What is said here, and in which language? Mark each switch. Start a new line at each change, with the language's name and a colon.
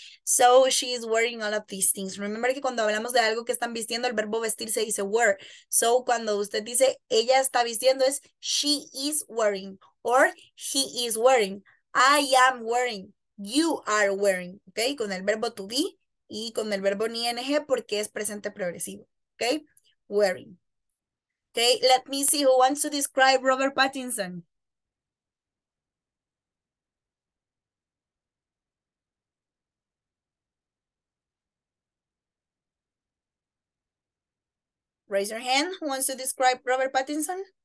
English: So she is wearing all of these things.
Spanish: Remember que cuando hablamos de algo que están vistiendo, el verbo vestir se dice wear. So cuando usted dice ella está vistiendo es
English: she is wearing or he is wearing. I am wearing. You are wearing.
Spanish: Okay, con el verbo to be y con el verbo ing porque es presente progresivo.
English: Okay, wearing. Okay, let me see who wants to describe Robert Pattinson. Raise your hand, who wants to describe Robert Pattinson?